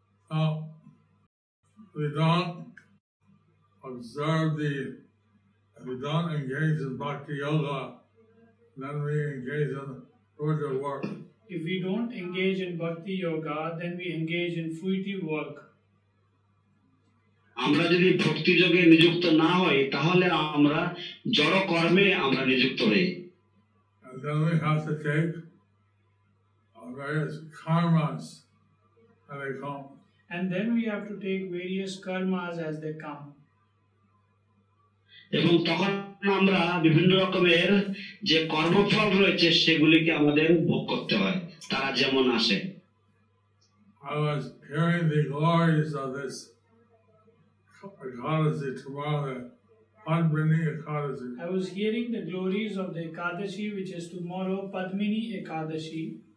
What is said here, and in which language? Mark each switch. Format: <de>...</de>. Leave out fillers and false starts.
<en>Now, we don't observe the, we don't engage in Bhakti Yoga, then we engage in fruitive work. If we don't engage in Bhakti Yoga, then we engage in fruitive work.</en> <bn>আমরা যদি ভক্তি যোগে নিযুক্ত না হই তাহলে আমরা জড় কর্মে আমরা নিযুক্ত হই.</bn> <en>And then we have to take our various karmas as they come. And then we have to take various karmas as they come.</en> <bn>এবং তখন আমরা বিভিন্ন রকমের যে কর্মফল রয়েছে সেগুলিকে আমাদের ভোগ করতে হয় তারা যেমন আসে.</bn> <en>I was hearing the glories of this Ekadasi tomorrow, Padmini Ekadasi. I was hearing the glories of the Ekadasi, which is tomorrow, Padmini Ekadasi.</en>